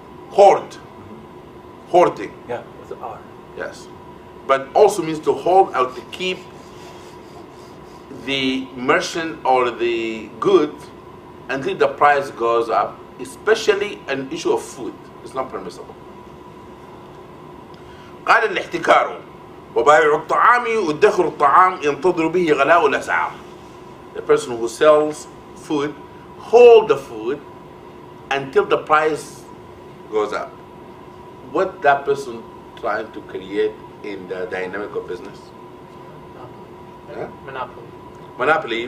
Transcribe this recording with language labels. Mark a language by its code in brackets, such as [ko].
[en] Hoard. Mm-hmm. Hoarding. Yeah, it's an R. Yes. But also means to hold out, to keep the merchant or the good until the price goes up, especially an issue of food. It's not permissible. [ar] قال الاحتكار وبايع الطعام يدخر الطعام ينتظر به غلاء الأسعار. [en] The person who sells food hold the food until the price goes up. What that person trying to create in the dynamic of business? Monopoly,